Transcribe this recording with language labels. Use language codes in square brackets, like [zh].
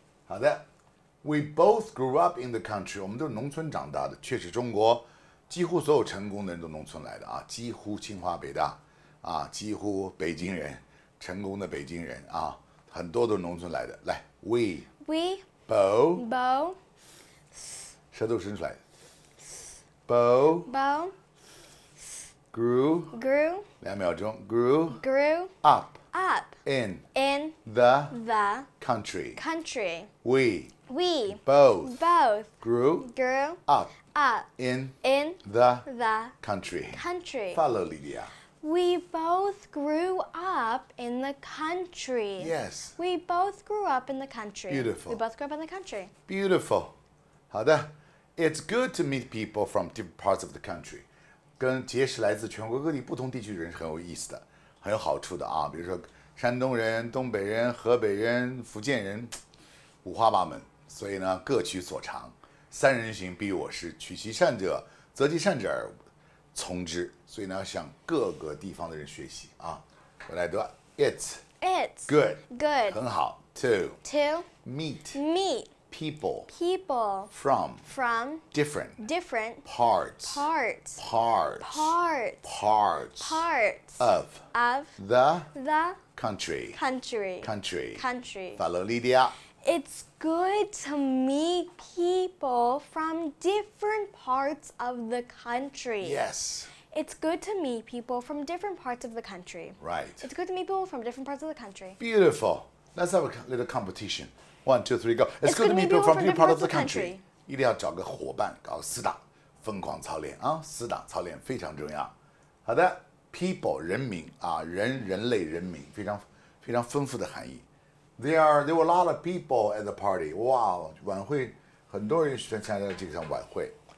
[zh] 好的 [en] We both grew up in the country. [zh] 我们都是农村长大的确实中国几乎所有成功的人都农村来的啊，几乎清华北大啊，几乎北京人，成功的北京人啊，很多都是农村来的。来 [en] ，we both [zh] 舌头伸出来 [en] ，both grew [zh] 两秒钟 [en] grew up in the country. We both grew up in the country. Follow Lydia. We both grew up in the country. Yes. We both grew up in the country. Beautiful. We both grew up in the country. Beautiful. [zh] 好的， [en] It's good to meet people from different parts of the country. [zh] 跟结识来自全国各地不同地区的人是很有意思的，很有好处的啊。比如说山东人、东北人、河北人、福建人，五花八门。所以呢，各取所长，三人行必有我师，取其善者，择其善者而从之。所以呢，向各个地方的人学习啊。我来读 [en] It's good. Good. [zh] 很好。 [en] To meet. Meet. People. People. From. From. Different. Different. Parts. Parts. Parts. Parts. Parts. Parts. Of. Of. The. The. Country. Country. Country. Country. Follow Lydia. It's good to meet people from different parts of the country. Yes. It's good to meet people from different parts of the country. Right. It's good to meet people from different parts of the country. Beautiful. Let's have a little competition. 1, 2, 3, go. It's good to meet people from different parts of the country. [zh] 一定要找个伙伴搞死党，疯狂操练啊！死党操练非常重要。好的 ，people 人民啊，人类人民非常非常丰富的含义。 [en] There were a lot of people at the party. [zh] Wow, 晚会很多人参加了这场晚会。